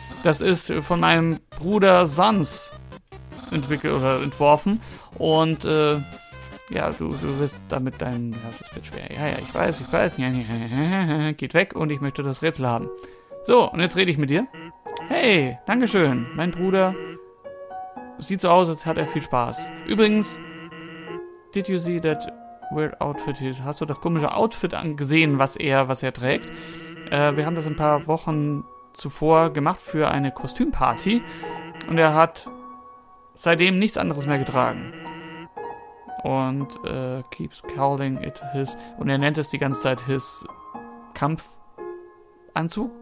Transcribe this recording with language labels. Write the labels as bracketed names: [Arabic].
[German] Das ist von meinem Bruder Sans entwickelt oder entworfen. Und ja, du wirst damit dein. Ja, das wird schwer. Ja, ja, ich weiß. Ja, ja. Geht weg und ich möchte das Rätsel haben. So, und jetzt rede ich mit dir. Hey, dankeschön. Mein Bruder sieht so aus, als hat er viel Spaß. Übrigens, [English] did you see that weird outfit is? [German] Hast du das komische Outfit angesehen, was er trägt? Wir haben das ein paar Wochen zuvor gemacht für eine Kostümparty. Und er hat seitdem nichts anderes mehr getragen. Und [English] keeps calling it his... [German] Und er nennt es die ganze Zeit [English] his [German] Kampfanzug.